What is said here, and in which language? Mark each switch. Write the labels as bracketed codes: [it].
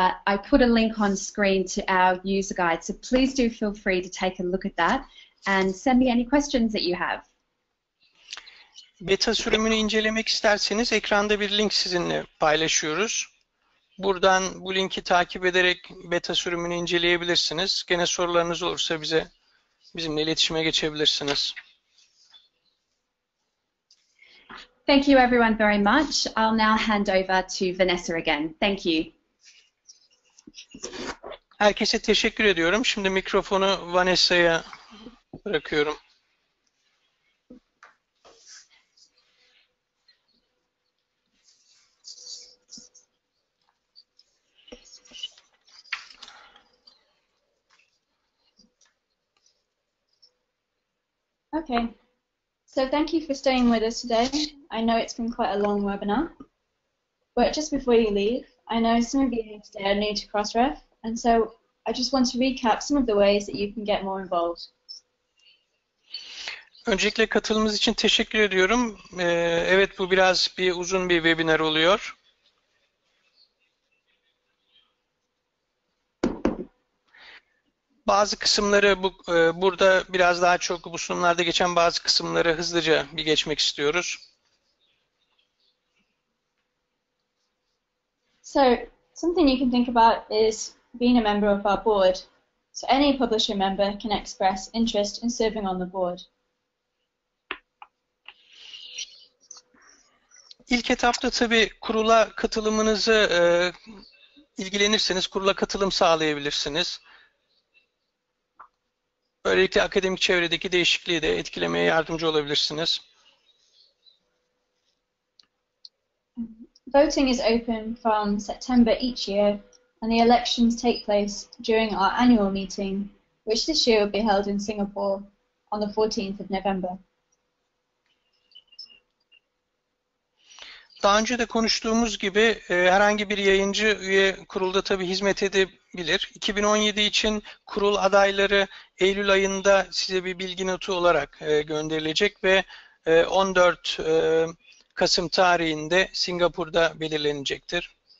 [en] I put a link on screen to our user guide, so please do feel free to take a look at that and send me any questions that you have. [tr] Beta sürümünü incelemek isterseniz ekranda bir link sizinle paylaşıyoruz. Buradan bu linki takip ederek beta sürümünü inceleyebilirsiniz. Gene sorularınız olursa bizimle iletişime geçebilirsiniz. [en] Thank you everyone very much. I'll now hand over to Vanessa again. Thank you. [tr] Herkese teşekkür ediyorum. Şimdi mikrofonu Vanessa'ya bırakıyorum. [en] Okay, so thank you for staying with us today. I know it's been quite a long webinar, but just before you leave, I know some of you here today are new to Crossref, and so I just want to recap some of the ways that you can get more involved. [tr] Öncelikle katılımınız için teşekkür ediyorum. Evet, bu biraz bir uzun bir webinar oluyor. Bazı kısımları burada biraz daha çok bu sunumlarda geçen bazı kısımları hızlıca bir geçmek istiyoruz. [en] So, something you can think about is being a member of our board. So any publisher member can express interest in serving on the board. [tr] İlk etapta tabii kurula katılımınızı ilgilenirseniz kurula katılım sağlayabilirsiniz. Böylelikle akademik çevredeki değişikliği de etkilemeye yardımcı olabilirsiniz. [en] Voting is open from September each year and the elections take place during our annual meeting, which this year will be held in Singapore on the 14th of November. [tr] Daha önce de konuştuğumuz gibi herhangi bir yayıncı üye kurulda tabii hizmet edebilir. 2017 için kurul adayları Eylül ayında size bir bilgi notu olarak gönderilecek ve 14 Kasım tarihinde Singapur'da belirlenecektir.